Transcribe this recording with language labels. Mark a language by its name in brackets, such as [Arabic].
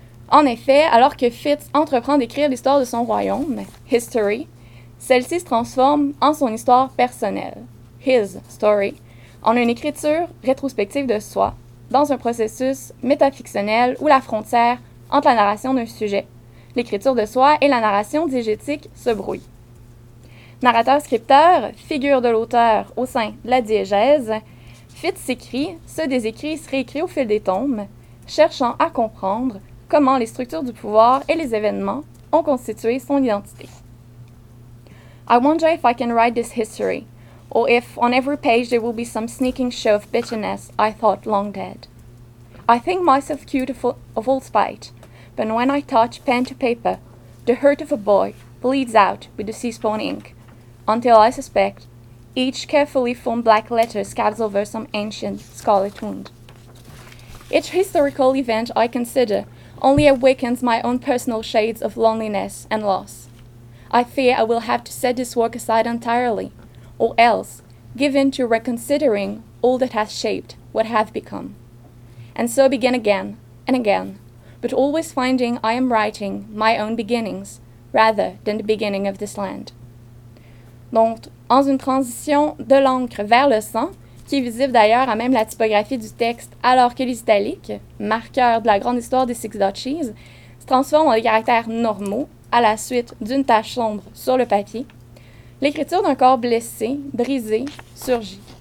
[French] En effet, alors que Fitz entreprend d'écrire l'histoire de son royaume, History, celle-ci se transforme en son histoire personnelle, His Story, en une écriture rétrospective de soi, dans un processus métafictionnel où la frontière entre la narration d'un sujet, l'écriture de soi et la narration diégétique se brouille. Narrateur-scripteur, figure de l'auteur au sein de la diégèse, Fitz s'écrit, se désécrit et se réécrit au fil des tomes, cherchant à comprendre comment les structures du pouvoir et les événements ont constitué son identité. [English] I wonder if I can write this history. Or if on every page there will be some sneaking show of bitterness I thought long dead. I think myself cute of all spite, but when I touch pen to paper, the hurt of a boy bleeds out with the seaspawn ink, until I suspect each carefully formed black letter scabs over some ancient scarlet wound. Each historical event I consider only awakens my own personal shades of loneliness and loss. I fear I will have to set this work aside entirely, or else, given to reconsidering all that has shaped what have become. And so begin again and again, but always finding I am writing my own beginnings rather than the beginning of this land. [French] Donc, en une transition de l'encre vers le sang, qui est visible d'ailleurs à même la typographie du texte, alors que les italiques, marqueurs de la grande histoire des Six Duchies, se transforment en des caractères normaux à la suite d'une tache sombre sur le papier, l'écriture d'un corps blessé, brisé, surgit.